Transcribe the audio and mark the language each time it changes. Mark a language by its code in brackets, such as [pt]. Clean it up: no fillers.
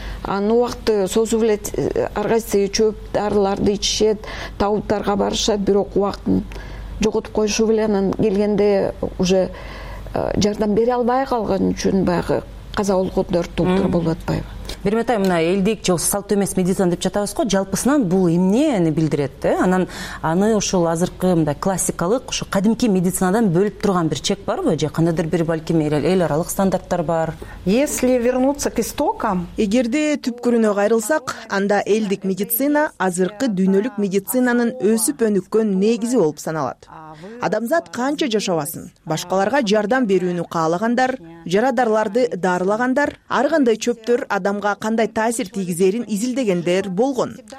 [ky] Аны убакты созуп эле ар кайсы чөп дарыларды ичишет, тауктарга барышат, бирок убактын жоготуп коюшуп эле анан келгенде уже жардам бере албай калган үчүн баягы каза болгондор доктор болуп атпайбы? Бермет айым, мына элдик же салттуу эмес медицина деп жатабыз го, жалпысынан бул эмнени билдирет? Анан аны ушул азыркы мындай классикалык ушу кадимки медицинадан бөлүп турган бир чек барбы, же кандайдыр бир балким эл аралык стандарттар бар? [ru] Если вернуться к истокам, [ky] эгерде түпкүрүнө кайрылсак, анда элдик медицина азыркы дүйнөлүк медицинанын өсүп өнүккөн негизи болуп саналат. Адамзат канча жашабасын, башкаларга жардам берүүнү каалагандар, жарадарларды дарылагандар, ар кандай чөптөр адамга кандай таасир тийгизерин изилдегендер болгон.